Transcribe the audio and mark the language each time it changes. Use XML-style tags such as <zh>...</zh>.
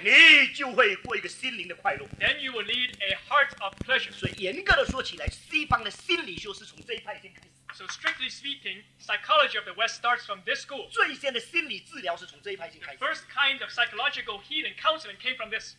<zh>你就会过一个心灵的快乐。</zh> <en>Then you will lead a heart of pleasure.</en> <zh>所以严格的说起来，西方的心理学是从这一派先开始。</zh> <en>So strictly speaking, psychology of the West starts from this school.</en> <zh>最先的心理治疗是从这一派先开始。</zh> <en>The first kind of psychological healing counseling came from this.</en>